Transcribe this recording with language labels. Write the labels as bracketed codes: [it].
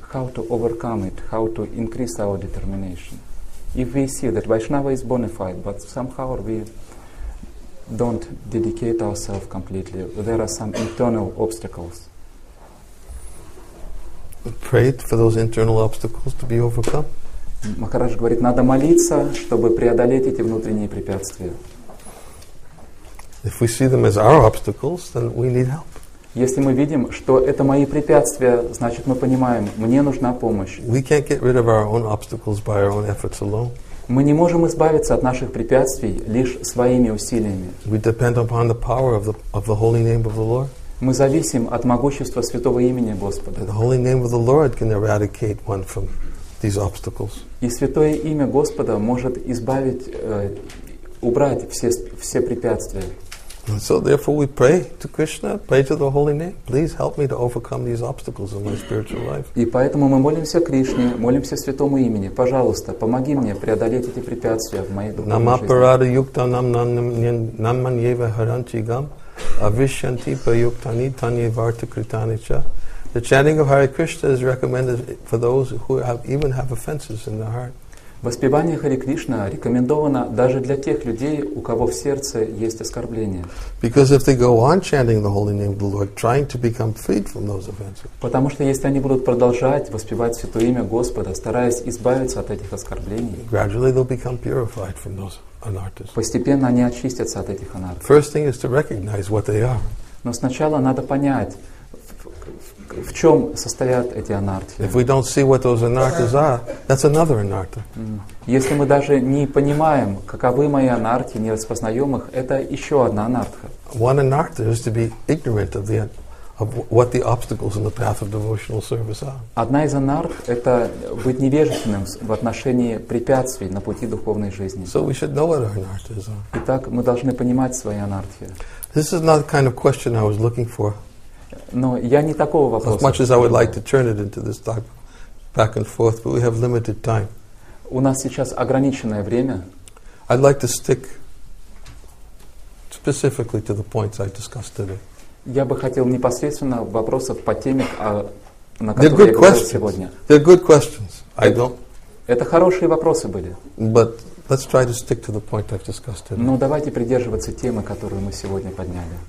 [en] How to overcome it? How to increase our determination? If we see that Vaishnava is bona fide, but somehow we don't dedicate ourselves completely, there are some internal obstacles. Pray for those internal obstacles to be overcome. [ru] Махарадж говорит, надо молиться, чтобы преодолеть эти внутренние препятствия. [en] If we see them as our obstacles, then we need help. [ru] Если мы видим, что это мои препятствия, значит, мы понимаем, мне нужна помощь. [en] We can't get rid of our own obstacles by our own efforts alone. [ru] Мы не можем избавиться от наших препятствий лишь своими усилиями. [en] We depend upon the power of the holy name of the Lord. [ru] Мы зависим от могущества святого имени Господа. [en] The holy name of the Lord can eradicate one from these obstacles. [ru] И святое имя Господа может избавить, убрать все препятствия. [en] And so therefore we pray to Krishna, pray to the holy name, please help me to overcome these obstacles in my spiritual life. [ru] И поэтому мы молимся Кришне, молимся святому имени. Пожалуйста, помоги мне преодолеть эти препятствия в моей духовной жизни. [sa] Намапарада юкта нам наманьева харанчигам авишьянти паюктани танье вартакританича. [en] The chanting of Hare Krishna is recommended for those who even have offenses in their heart. [ru] Воспевание Хари Кришна рекомендовано даже для тех людей, у кого в сердце есть оскорбление. [en] Because if they go on chanting the holy name of the Lord, trying to become freed from those offenses. [ru] Потому что если они будут продолжать воспевать святое имя Господа, стараясь избавиться от этих оскорблений, [en] gradually they'll become purified from those anarthas. [ru] Постепенно они очистятся от этих анарт. [en] First thing is to recognize what they are. [ru] Но сначала надо понять, в чем состоят эти анартхи? [en] If we don't see what those anarthas are, that's another anartha. [ru] Если мы даже не понимаем, каковы мои анартхи, не распознаем их, это еще одна анартха. [en] One anartha is to be ignorant of what the obstacles in the path of devotional service are. [ru] Одна из анартх — это быть невежественным в отношении препятствий на пути духовной жизни. [en] So we should know what our anarthas are. [ru] Итак, мы должны понимать свои анартхи. [en] This is not the kind of question I was looking for. [ru] Но я не такого вопроса. [en] As much as I would like to turn it into this talk back and forth, but we have limited time. [ru] У нас сейчас ограниченное время. [en] I'd like to stick specifically to the points I discussed today. [ru] Я бы хотел непосредственно вопросов по теме, на которые я говорил сегодня. [en] They're good questions. I don't. [ru] Это хорошие вопросы были. [en] But let's try to stick to the point I've discussed today. [ru] Но давайте придерживаться темы, которую мы сегодня подняли.